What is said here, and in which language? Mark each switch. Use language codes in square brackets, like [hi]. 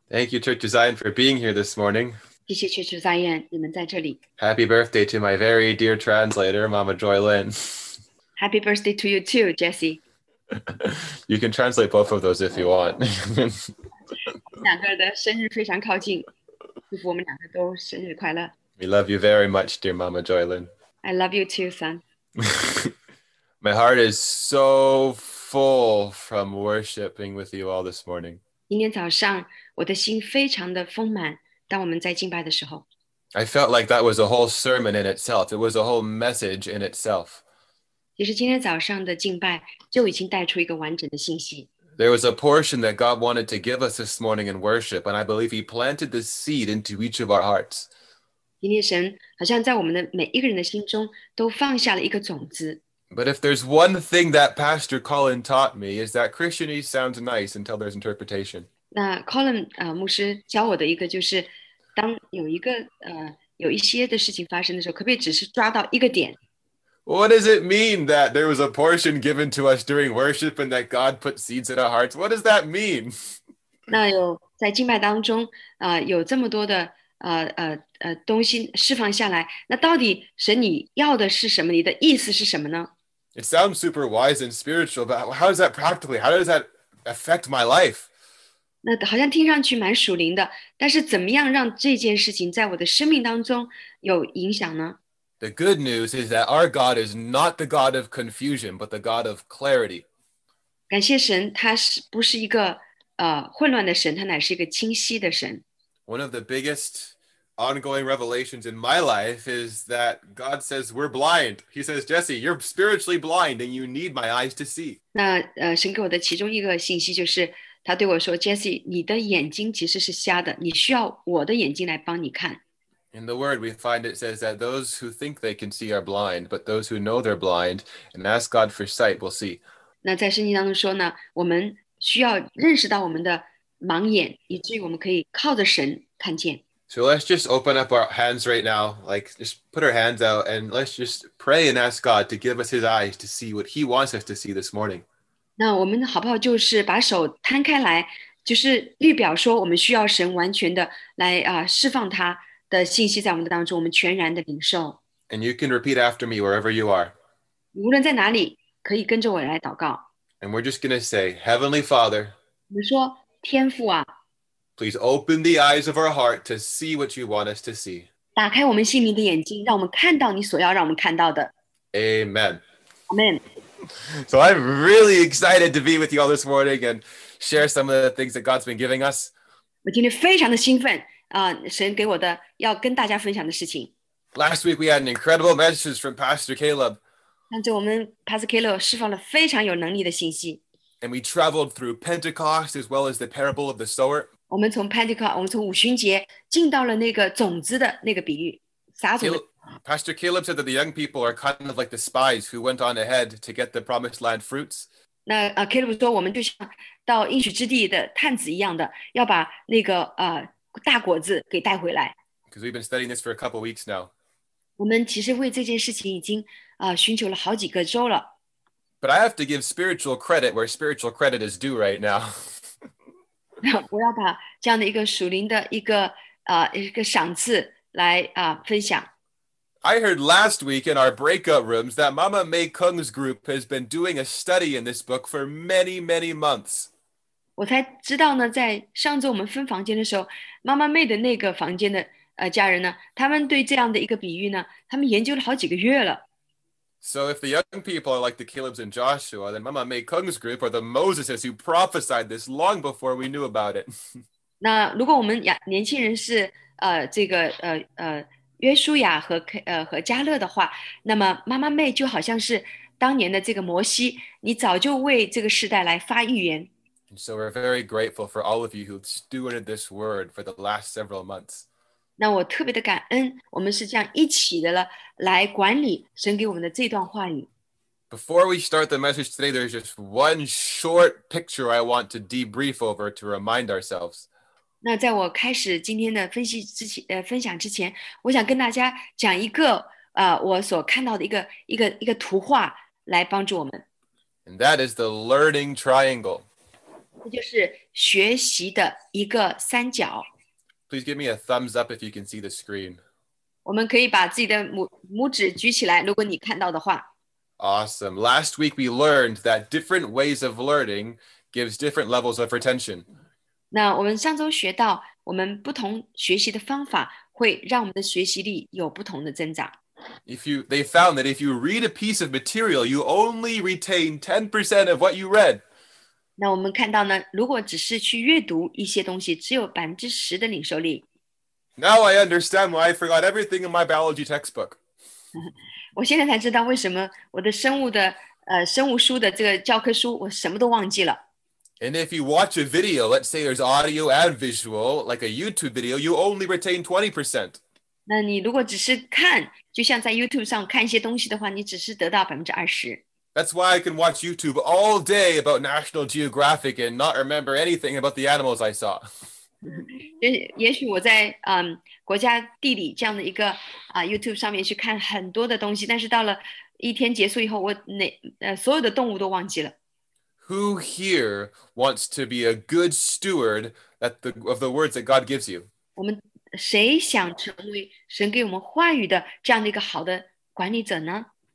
[en] Thank you, Church of Zion, for being here this morning. [zh] 谢谢 Church of Zion, 你们在这里。 [en] Happy birthday to my very dear translator, Mama Joy Lynn. Happy birthday to you too, Jesse. You can translate both of those if you want. [zh] 两个的生日非常靠近。祝福我们两个都生日快乐。 [en] We love you very much, dear Mama Joy Lynn. I love you too, son. My heart is so full from worshiping with you all this morning. [zh] 今天早上，我的心非常的丰满，当我们在敬拜的时候。 [en] I felt like that was a whole sermon in itself. It was a whole message in itself. [zh] 其实今天早上的敬拜就已经带出一个完整的信息。 [en] There was a portion that God wanted to give us this morning in worship, and I believe he planted this seed into each of our hearts. [zh] 今天神好像在我们的每一个人的心中都放下了一个种子。 [en] But if there's one thing that Pastor Colin taught me, is that Christianese sounds nice until there's interpretation. [zh] 那 Colin 牧师教我的一个就是，当有一些的事情发生的时候，可不可以只是抓到一个点？ [en] What does it mean that there was a portion given to us during worship and that God put seeds in our hearts? What does that mean? [zh] 那有在敬拜当中有这么多的东西释放下来，那到底神你要的是什么？你的意思是什么呢？ [en] It sounds super wise and spiritual, but how does that practically, how does that affect my life? [zh] 那好像听上去蛮属灵的，但是怎么样让这件事情在我的生命当中有影响呢？ [en] The good news is that our God is not the God of confusion, but the God of clarity. [zh] 感谢神，他是不是一个混乱的神，他乃是一个清晰的神。 [en] One of the biggest ongoing revelations in my life is that God says we're blind. He says, Jesse, you're spiritually blind and you need my eyes to see. [zh] 那神给我的其中一个信息就是，他对我说 ，Jesse， 你的眼睛其实是瞎的，你需要我的眼睛来帮你看。 [en] In the word, we find it says that those who think they can see are blind, but those who know they're blind and ask God for sight will see. [zh] 那在圣经当中说呢，我们需要认识到我们的盲眼，以至于我们可以靠着神看见。 [en] So let's just open up our hands right now, like just put our hands out and let's just pray and ask God to give us his eyes to see what he wants us to see this morning. [zh] 那我们好不好就是把手摊开来，就是预表说我们需要神完全的来释放他。的信息在我们的当中，我们全然的领受。 [en] And you can repeat after me wherever you are. [zh] 无论在哪里，可以跟着我来祷告。 [en] And we're just going to say, Heavenly Father. [zh] 我们说，天父啊。 [en] Please open the eyes of our heart to see what you want us to see. [zh] 打开我们心灵的眼睛，让我们看到你所要让我们看到的。 [en] Amen. Amen. So I'm really excited to be with you all this morning and share some of the things that God's been giving us. [zh] 我今天非常的兴奋。神给我的要跟大家分享的事情。 [en] Last week we had an incredible message from Pastor Caleb. [zh] 上次我们 Pastor Caleb 释放了非常有能力的信息。 [en] And we traveled through Pentecost as well as the parable of the sower. [zh] 我们从 Pentecost， 我们从五旬节进到了那个种子的那个比喻，撒种的。 [en] Pastor Caleb said that the young people are kind of like the spies who went on ahead to get the promised land fruits. [zh] 那Caleb 说，我们就像到应许之地的探子一样的，要把那个大果子给带回来。 [en] Because we've been studying this for a couple weeks now. [zh] 我们其实为这件事情已经寻求了好几个周了。 [en] But I have to give spiritual credit where spiritual credit is due right now. [zh] 我要把这样的一个属灵的一个一个赏赐来分享。 [en] I heard last week in our breakout rooms that Mama Mae Kung's group has been doing a study in this book for many, many months. [zh] 我才知道呢，在上周我们分房间的时候，妈妈妹的那个房间的家人呢，他们对这样的一个比喻呢，他们研究了好几个月了。 [en] So if the young people are like the Calebs and Joshua, then Mama Mae Kung's group are the Moseses who prophesied this long before we knew about it. [zh] 那如果我们年轻人是这个约书亚和加勒的话，那么妈妈妹就好像是当年的这个摩西，你早就为这个时代来发预言。 [en] And so we're very grateful for all of you who've stewarded this word for the last several months. [zh] 那我特别的感恩，我们是这样一起的了，来管理神给我们的这段话语。 [en] Before we start the message today, there's just one short picture I want to debrief over to remind ourselves. [zh] 那在我开始今天的分析之前，分享之前，我想跟大家讲一个我所看到的一个图画，来帮助我们。 [en] And that is the learning triangle. [zh] 这就是学习的一个三角。 [en] Please give me a thumbs up if you can see the screen. [zh] 我们可以把自己的拇指举起来，如果你看到的话。 [en] Awesome. Last week we learned that different ways of learning gives different levels of retention. [zh] 那我们上周学到，我们不同学习的方法会让我们的学习力有不同的增长。 [en] They found that if you read a piece of material, you only retain 10% of what you read. [zh] 那我们看到呢，如果只是去阅读一些东西，只有10%的领受力。 [en] Now I understand why I forgot everything in my biology textbook. [zh] 我现在才知道为什么我的生物书的这个教科书我什么都忘记了。 [en] And if you watch a video, let's say there's audio and visual, like a YouTube video, you only retain 20%. [zh] 那你如果只是看，就像在 YouTube 上看一些东西的话，你只是得到20%。 [en] That's why I can watch YouTube all day about National Geographic and not remember anything about the animals I saw. [zh] 也许我在国家地理这样的一个YouTube 上面去看很多的东西，但是到了一天结束以后，我所有的动物都忘记了。 [en] Who here wants to be a good steward of the words that God gives you? [zh] 我们谁想成为神给我们话语的这样的一个好的管理者呢？